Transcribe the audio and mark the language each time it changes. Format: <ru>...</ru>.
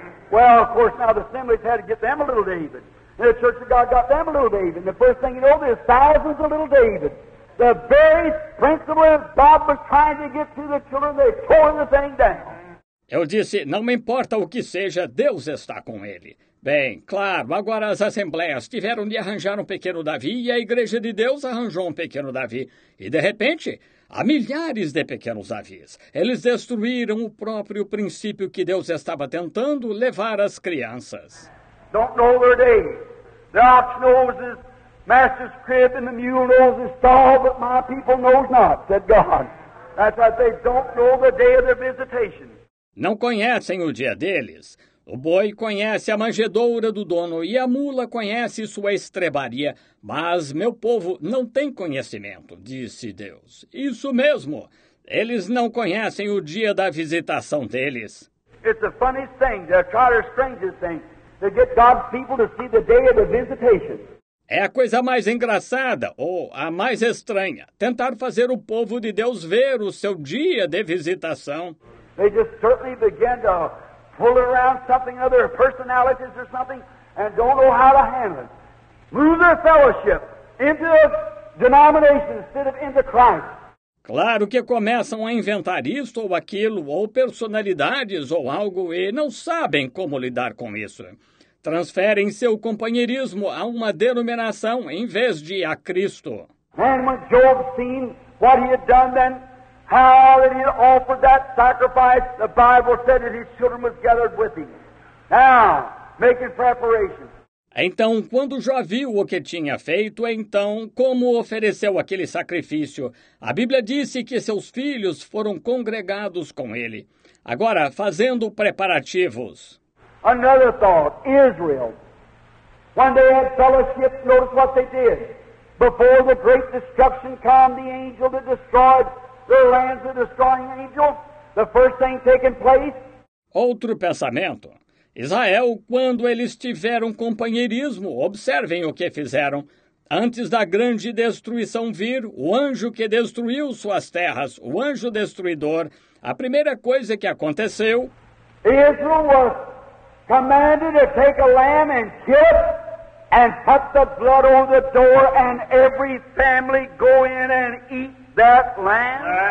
<en>Well, of course, now the assemblies had to get them a little David. The Church of God got them a little David. And the first thing you know, there's thousands of little David. The very principle that God was trying to get to the children, they tore the thing down.</en> <pt>Eu disse, não me importa o que seja, Deus está com ele. Bem, claro, agora as assembleias tiveram de arranjar um pequeno Davi e a Igreja de Deus arranjou um pequeno Davi. E, de repente, há milhares de pequenos Davis. Eles destruíram o próprio princípio que Deus estava tentando levar às crianças.</pt> <en>Don't know their day. The ox knows his master's crib and the mule knows his stall, but my people knows not, said God. That's why they don't know the day of their visitation.</en> <pt>Não conhecem o dia deles. O boi conhece a manjedoura do dono e a mula conhece sua estrebaria. Mas meu povo não tem conhecimento, disse Deus. Isso mesmo. Eles não conhecem o dia da visitação deles.</pt> <en>It's a funny thing, the kinder strangest thing, to get God's people to see the day of the visitation.</en> <pt>É a coisa mais engraçada, ou a mais estranha, tentar fazer o povo de Deus ver o seu dia de visitação.</pt> <en>They just certainly begin to pull around something, other personalities or something, and don't know how to handle it. Move their fellowship into a denomination instead of into Christ.</en> <pt>Claro que começam a inventar isto ou aquilo, ou personalidades ou algo, e não sabem como lidar com isso. Transferem seu companheirismo a uma denominação em vez de a Cristo.</pt> <en>And when Job seen what he had done then, how that he offered that sacrifice, the Bible said that his children were gathered with him. Now, making preparation.</en> <pt>Então, quando Jó viu o que tinha feito, então, como ofereceu aquele sacrifício? A Bíblia disse que seus filhos foram congregados com ele. Agora, fazendo preparativos.</pt> <en>Another thought, Israel. When they had fellowship, notice what they did. Before the great destruction came, the angel that destroyed the lands of the destroying angel, the first thing taking place.</en> <pt>Outro pensamento. Israel, quando eles tiveram companheirismo, observem o que fizeram. Antes da grande destruição vir, o anjo que destruiu suas terras, o anjo destruidor, a primeira coisa que aconteceu...</pt> <en>Israel was commanded to take a lamb and kill it and put the blood on the door and every family go in and eat that lamb.</en>